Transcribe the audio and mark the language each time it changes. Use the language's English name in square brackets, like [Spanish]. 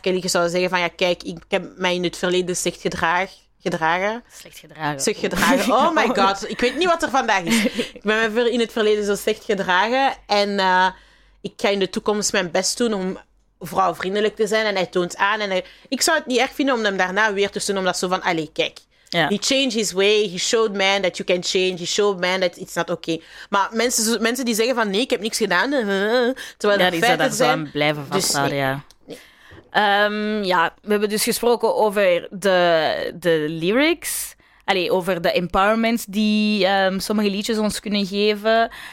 [Dutch] Kelly zou zeggen van ja, kijk, ik heb mij in het verleden slecht gedragen. Slecht gedragen. Slecht gedragen. [English] Oh my god, [Dutch] ik weet niet wat er vandaag is. Ik ben me in het verleden zo slecht gedragen. En ik ga in de toekomst mijn best doen om vrouwvriendelijk te zijn. En hij toont aan. En ik zou het niet erg vinden om hem daarna weer te doen. Omdat zo van, allee, kijk. [English] Yeah. He changed his way. He showed man that you can change. He showed man that it's not okay. [Dutch] Maar mensen die zeggen van, nee, ik heb niks gedaan. Terwijl ja, die zouden daar zijn, zo blijven van dus, staan, nee. Ja. Ja, we hebben dus gesproken over de lyrics. Allee, over de empowerment die sommige liedjes ons kunnen geven.